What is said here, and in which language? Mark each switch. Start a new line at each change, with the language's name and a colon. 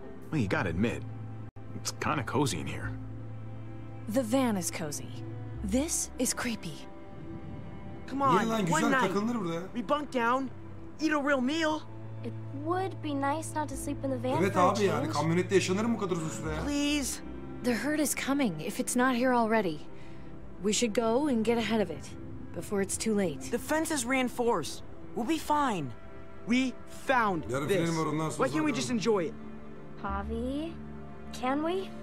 English: Well, you gotta admit, it's kind of cozy in here. The van is cozy. This is creepy. Come on, one night, we bunk down, eat a real meal. It would be nice not to sleep in the van.
Turkish: Evet abi, yani kamyonette yaşanır mı bu kadar uzun süre ya?
English: Please. The herd is coming, if it's not here already. We should go and get ahead of it, before it's too late. The fence is reinforced. We'll be fine. We found this. Why can't we just enjoy it? Pavi, can we?